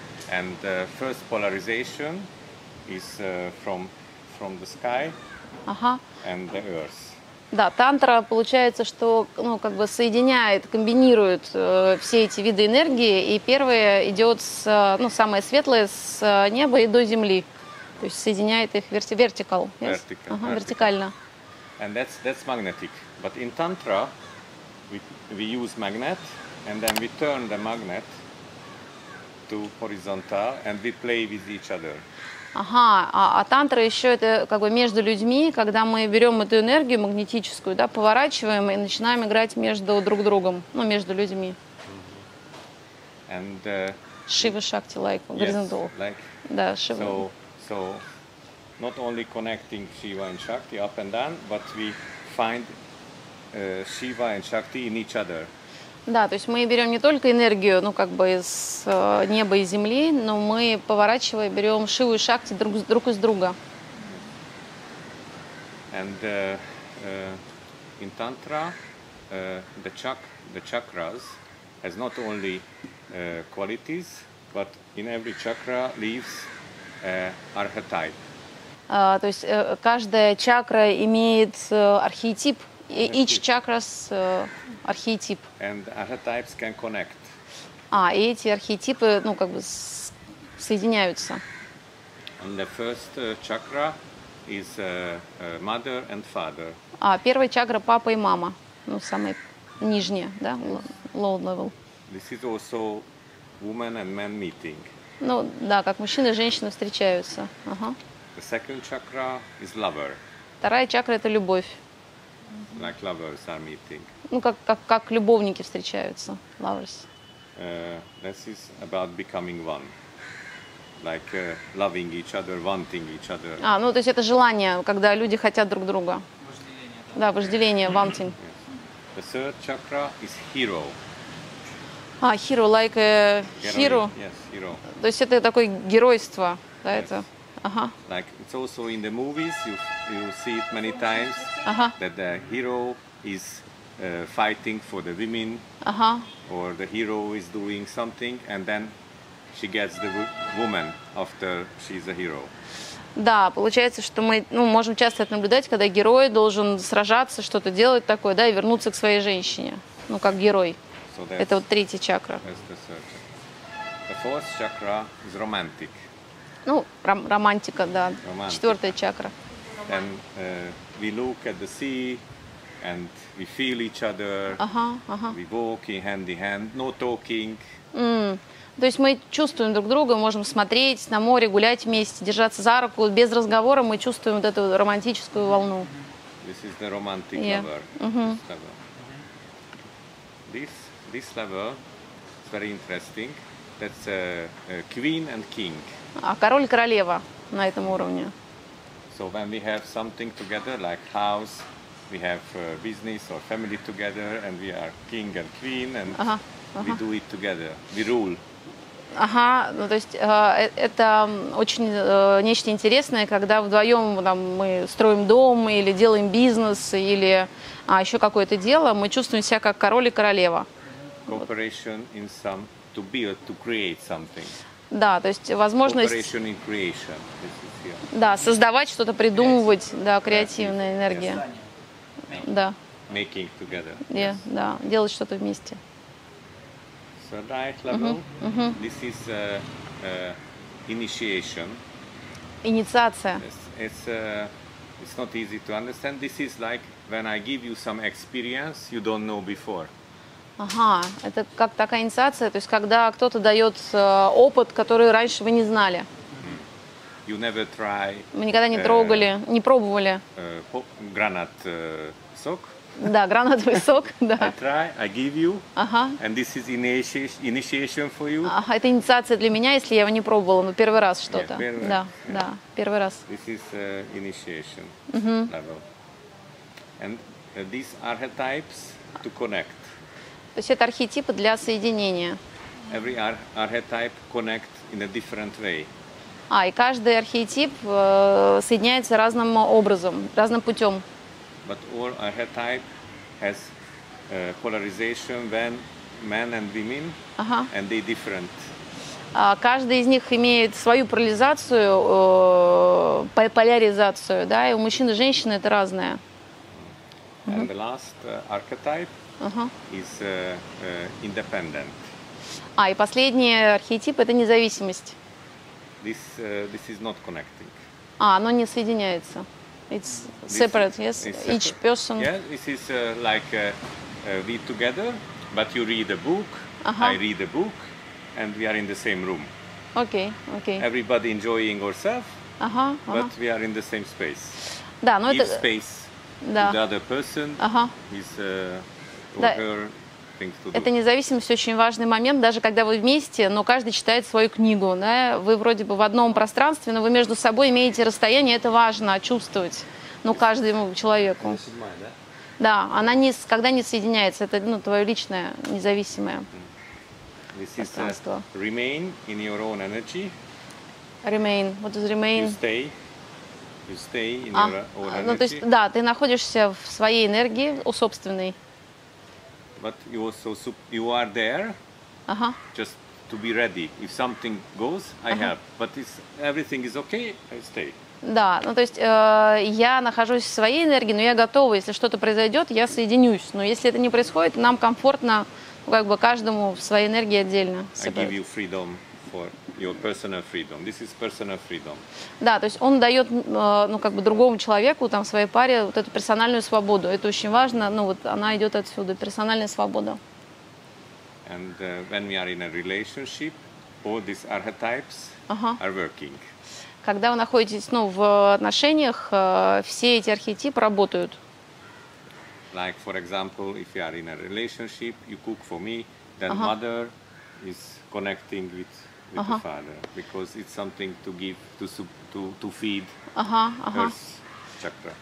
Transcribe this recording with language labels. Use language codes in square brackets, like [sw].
[en] And first polarization is from the sky and the earth. [ru] Да, тантра получается, что, ну, как бы соединяет, комбинирует все эти виды энергии, и первое идет с, ну, самое светлое с неба и до земли. То есть соединяет их вертикал, вертикально. [en] And that's magnetic. But in tantra we use magnet and then we turn the magnet to horizontal and we play with each other. [ru] Ага, а тантра еще это как бы между людьми, когда мы берем эту энергию магнетическую, да, поворачиваем и начинаем играть между друг другом, ну, между людьми. [en] And Shiva Shakti, like, horizontal. Yes, like. [ru] Да, Shiva. [en] So not only connecting Shiva and Shakti up and down, but we find Shiva and Shakti in each other. [ru] Да, то есть мы берем не только энергию, ну, как бы из неба и земли, но мы поворачивая берем Шиву и Шакти друг из друга. [en] And in tantra the chakras has not only qualities, but in every chakra lives archetype. [ru] То есть каждая чакра имеет архетип. [en] Each chakras архетип. And archetypes can connect. [ru] А, и эти архетипы, ну, как бы соединяются. [en] And the first chakra is mother and father. [ru] А, первая чакра папа и мама. Ну, самая нижняя, да, [en] low level. This is also woman and man meeting. [ru] Ну, да, как мужчина и женщина встречаются. [en] The second chakra is lover. [ru] Вторая чакра – это любовь. [en] Like lovers are meeting. [ru] Ну, как любовники встречаются, [en] lovers. This is about becoming one. Like loving each other, wanting each other. [ru] А, ну, то есть это желание, когда люди хотят друг друга. Вожделение. Да, вожделение, [en] wanting. The third chakra is hero. А, hero, like hero. Yes, hero. [ru] То есть это такое геройство, да, [en] yes. [ru] Это? [en] Like it's also in the movies, you see it many times, that the hero is fighting for the women, or the hero is doing something, and then she gets the woman after she's a hero. [ru] Да, получается, что мы, ну, можем часто это наблюдать, когда герой должен сражаться, что-то делать такое, да, и вернуться к своей женщине, ну, как герой. [en] So [ru] это вот третья чакра. [en] The fourth chakra is romantic. [ru] Ну, романтика, да. [en] Romantic. [ru] Четвертая чакра. [en] And we look at the sea and we feel each other. We walk hand in hand, no talking. [ru] То есть мы чувствуем друг друга, можем смотреть на море, гулять вместе, держаться за руку, без разговора мы чувствуем вот эту романтическую волну. [en] This is the romantic lover. This lover. This lover is very interesting. That's a queen and king. [ru] А король, королева на этом уровне. [en] So when we have something together, like house, we have business or family together, and we are king and queen, and we do it together. We rule. [ru] Ага, ну то есть это очень нечто интересное, когда вдвоем там, мы строим дом или делаем бизнес, или еще какое-то дело, мы чувствуем себя как король и королева. [en] Cooperation [ru] вот. [en] In some, to build, to create something. [ru] Да, то есть возможность... [en] Cooperation in creation. [ru] Да, создавать что-то, придумывать, [en] yes. [ru] Да, креативная энергия. [en] Yes. [ru] Да. [en] Making together. Yeah, yes. [ru] Да, делать что-то вместе. [en] So right level, this is initiation. [ru] Инициация. [en] It's not easy to understand. This is like when I give you some experience you don't know before. [ru] Ага, это как такая инициация, то есть когда кто-то дает опыт, который раньше вы не знали. [en] You never try. [ru] Мы никогда не трогали, не пробовали. Гранат сок. Да, гранатовый сок, да. [en] I try, I give you, and this is initiation for you. [ru] Ага, это инициация для меня, если я его не пробовала, но первый раз что-то. Да, да, первый раз. [en] This is initiation level. And these archetypes to connect. [ru] То есть это архетипы для соединения. [en] Every archetype connect in a different way. [ru] А, и каждый архетип соединяется разным образом, разным путем. [en] But all archetype has polarization when men and women, and they different. [ru] Каждый из них имеет свою поляризацию, поляризацию, да, и у мужчин и женщин это разное. [en] And the last archetype is independent. [ru] И последний архетип это независимость. [en] This is not connecting. [ru] Оно не соединяется. [en] It's separate, this, yes. It's separate. Each person. Yeah, this is like we together, but you read a book, I read a book, and we are in the same room. Okay, okay. Everybody enjoying ourselves, but we are in the same space. [ru] Да, но [en] give [ru] это [en] space. [ru] Да. [en] To the other person. Is her things to do. [ru] Это независимость очень важный момент, даже когда вы вместе, но каждый читает свою книгу, да? Вы вроде бы в одном пространстве, но вы между собой имеете расстояние, это важно чувствовать, ну, каждому человеку. Она седьмая, да? Да, она никогда не соединяется, это, ну, твое личное, независимое пространство. [en] Remain in your own energy. Remain. What is remain? You stay in your own energy. [ru] Ну, то есть, да, ты находишься в своей энергии, у собственной. [en] But you also you are there, just to be ready. If something goes, I help. But if everything is okay, I stay. [ru] Да, ну то есть я нахожусь в своей энергии, но я готова. Если что-то произойдет, я соединюсь. Но если это не происходит, нам комфортно, ну, как бы каждому в своей энергии отдельно. [en] I give you freedom for your personal freedom. This is personal freedom. [ru] Да, то есть он дает, ну как бы другому человеку, там своей паре вот эту персональную свободу. Это очень важно. Ну вот она идет отсюда, персональная свобода. [en] And when we are in a relationship, all these archetypes are working. [ru] Когда вы находитесь, ну, в отношениях, все эти архетипы работают. [en] Like for example, if you are in a relationship, you cook for me, then mother is connecting with the father, because it's something to give, to feed earth chakra.